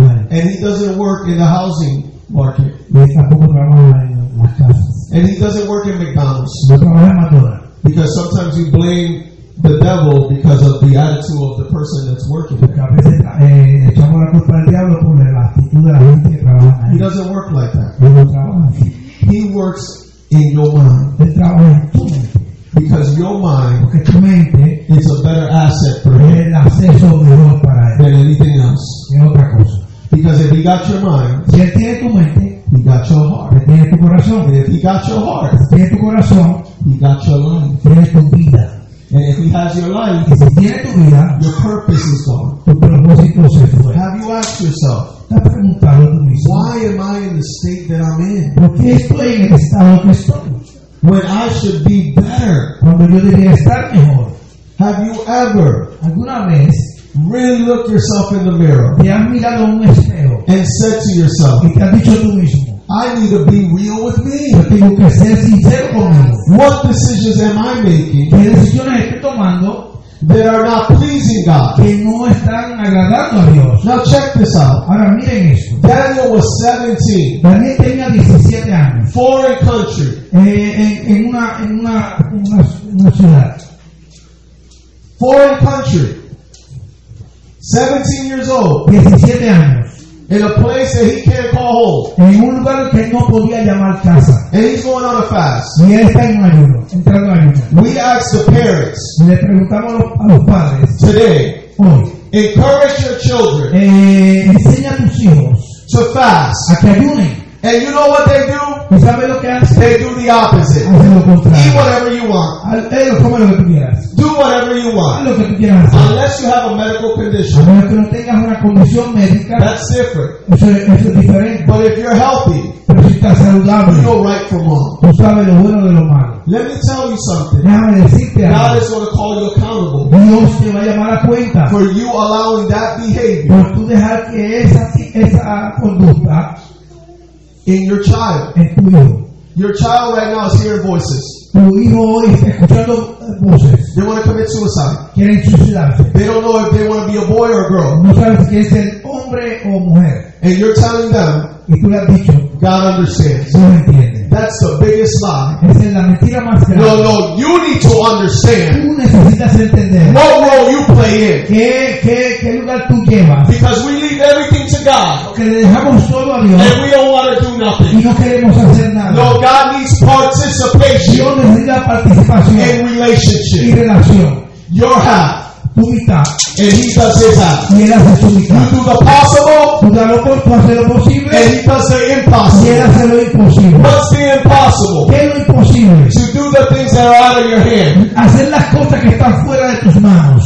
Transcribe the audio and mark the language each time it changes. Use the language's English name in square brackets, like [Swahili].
[English] and he doesn't work in the housing market. [Spanish] Y tampoco trabaja en las casas. [English] And he doesn't work in McDonald's. [Spanish] No trabaja en McDonald's. [English] Because sometimes you blame the devil because of the attitude of the person that's working. [Spanish] Porque a veces echamos la culpa al diablo por la actitud de la gente que trabaja ahí. [English] He doesn't work like that. [Spanish] Él no trabaja así. [English] He works in your mind. [Spanish] Él trabaja en tu mente. [English] Because your mind, [Spanish] porque tu mente, [English] is a better asset for [Spanish] él. El acceso mejor para él. [English] Than anything else. [Spanish] Es otra cosa. [English] Because if he got your mind, [Spanish] si él tiene tu mente, [English] he got your heart. [Spanish] Él tiene tu corazón. [English] And if he got your heart, [Spanish] si tiene tu corazón, [English] he got your mind. [Spanish] Tiene tu vida. [English] And if he has your life, [Spanish] si tiene tu vida, [English] your purpose is gone. [Spanish] Tu propósito se fue. [English] Have you asked yourself, [Spanish] ¿te has preguntado tú mismo? [English] Why am I in the state that I'm in? [Spanish] ¿Por qué estoy en el estado que estoy? [English] When I should be better. [Spanish] Cuando yo debería estar mejor. [English] Have you ever, [Spanish] alguna vez, [English] really looked yourself in the mirror, [Spanish] te has mirado en un espejo, [English] and said to yourself, [Spanish] y te has dicho tú mismo, [English] I need to be real with me. [Spanish] Yo tengo que ser sincero conmigo. [English] What decisions am I making? [Spanish] ¿Qué decisiones estoy tomando? [English] That are not pleasing God. [Spanish] Que no están agradando a Dios. [English] Now check this out. [Spanish] Ahora miren esto. [English] Daniel was 17. [Spanish] Daniel tenía 17 años. [English] Foreign country. [Spanish] En una ciudad. [English] Foreign country. 17 years old. [Spanish] 17 años. [English] In a place that he can't call home. [Spanish] En un lugar que no podía llamar casa. [English] And he's going on a fast. [Spanish] Y él está en ayuno, entrando en ayuno. [English] We ask the parents. [Spanish] Le preguntamos a los padres. [English] Today. [Spanish] Hoy. [English] Encourage your children. [Spanish] Enseña a tus hijos. [English] To fast. [Spanish] A que ayunen. [English] And you know what they do? [Spanish] ¿Y sabes lo que hacen? [English] They do the opposite. [Spanish] Hacen lo contrario. [English] Eat whatever you want. [Spanish] Ellos comen lo que tú quieras. [English] Do whatever you want. [Spanish] Haz lo que tú quieras hacer. [English] Unless you have a medical condition. [Spanish] A menos que no tengas una condición médica. [English] That's different. [Spanish] Eso es diferente. [English] But if you're healthy. [Spanish] Pero si estás saludable. [English] You know right from wrong. [Spanish] Tú sabes lo bueno de lo malo. [English] Let me tell you something. [Spanish] Déjame decirte algo. [English] God is going to call you accountable. [Spanish] Dios te va a llamar a cuenta. [English] For you allowing that behavior. [Spanish] Por tú dejar que esa conducta. [English] In your child. [Spanish] En tu hijo. [English] Your child right now is hearing voices. [Spanish] Tu hijo hoy está escuchando voces. [English] They want to commit suicide. [Spanish] Quieren suicidarse. [English] They don't know if they want to be a boy or a girl. [Spanish] No saben si quieren ser hombre o mujer. [English] And you're telling them. [Spanish] Y tú le has dicho. [English] God understands. [Spanish] Dios entiende. [English] That's the biggest lie. [Spanish] Esa es la mentira más grande. [English] No, no. You need to understand. [Spanish] Tú necesitas entender. [English] What role you play in. [Spanish] ¿Qué lugar tú llevas? [English] Because we leave everything to God. [Spanish] Porque le dejamos todo a Dios. [English] And we don't want to do nothing. [Spanish] Y no queremos hacer nada. [English] No, God needs participation. [Spanish] Dios necesita participación. [English] In relationship. [Spanish] Y relación. [English] Your half. [Spanish] Tu mitad. [English] And he does his half. [Spanish] Y él hace su mitad. [English] You do the possible. [Spanish] Tú haces lo posible. [English] And he does the impossible. [Spanish] Y él hace lo imposible. [English] What's the impossible? [Spanish] ¿Qué es lo imposible? [English] To do the things that are out of your hand. [Spanish] Hacer las cosas que están fuera de tus manos.